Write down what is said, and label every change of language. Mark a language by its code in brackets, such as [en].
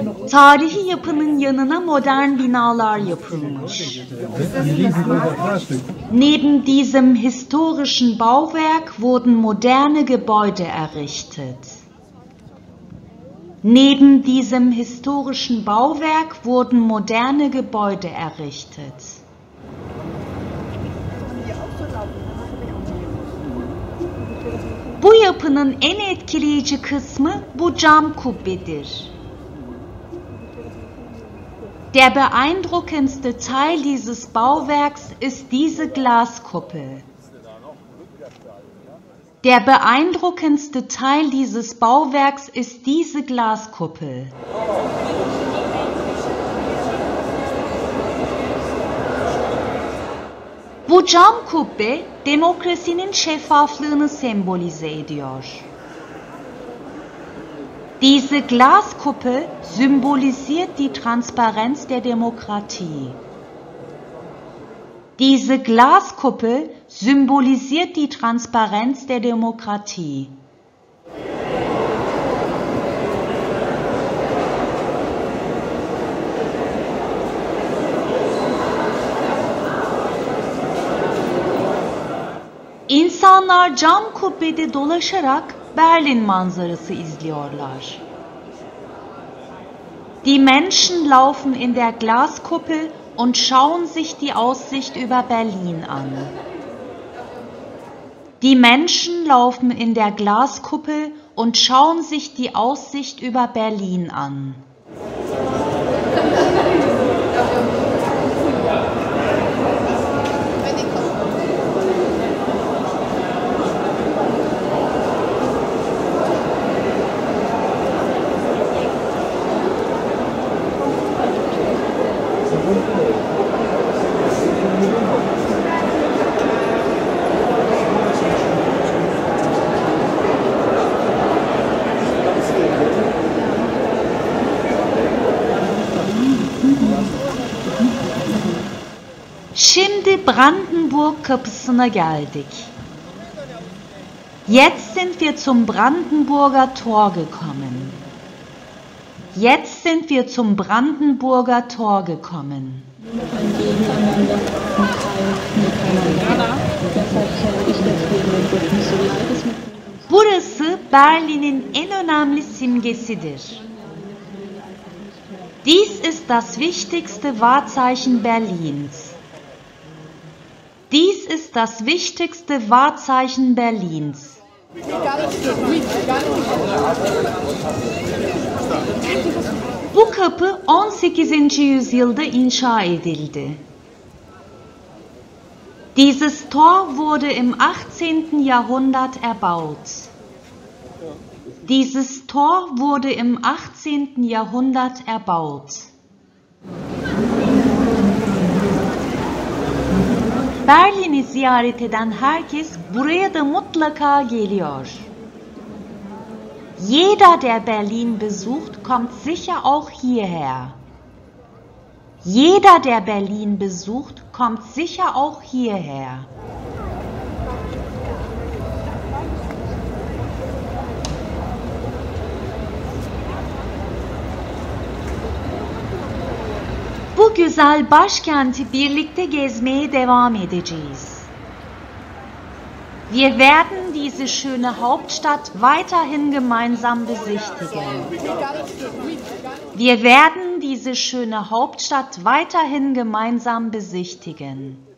[tr] Tarihi yapının yanına modern binalar yapılmış. [de] Neben diesem historischen Bauwerk wurden moderne Gebäude errichtet. Neben diesem historischen Bauwerk wurden moderne Gebäude errichtet. [tr] Bu yapının en etkileyici kısmı bu cam kubbedir. [de] Der beeindruckendste Teil dieses Bauwerks ist diese Glaskuppel. Der beeindruckendste Teil dieses Bauwerks ist diese Glaskuppel. [tr] Bu cam kubbe demokrasinin şeffaflığını sembolize ediyor. [de] Diese Glaskuppel symbolisiert die Transparenz der Demokratie. Diese Glaskuppel symbolisiert die Transparenz der Demokratie. [tr] İnsanlar cam kubbede dolaşarak Berlin manzarası izliyorlar. [de] Die Menschen laufen in der Glaskuppel und schauen sich die Aussicht über Berlin an. Die Menschen laufen in der Glaskuppel und schauen sich die Aussicht über Berlin an. [tr] Şimdi Brandenburg kapısına geldik. [de] Jetzt sind wir zum Brandenburger Tor gekommen. Jetzt sind wir zum Brandenburger Tor gekommen. [tr] Burası Berlin'in en önemli simgesidir. [de] Dies ist das wichtigste Wahrzeichen Berlins. Dies ist das wichtigste Wahrzeichen Berlins. [tr] Bu kapı 18. Yüzyılda inşa edildi. [de] Dieses Tor wurde im 18. Jahrhundert erbaut. Dieses Tor wurde im 18. Jahrhundert erbaut. [tr] Berlin'i ziyaret eden herkes buraya da mutlaka geliyor. [de] Jeder, der Berlin besucht, kommt sicher auch hierher. Jeder, der Berlin besucht, kommt sicher auch hierher. [tr] Bu güzel başkenti birlikte gezmeye devam edeceğiz. [de] Wir werden diese schöne Hauptstadt weiterhin gemeinsam besichtigen. Wir werden diese schöne Hauptstadt weiterhin gemeinsam besichtigen.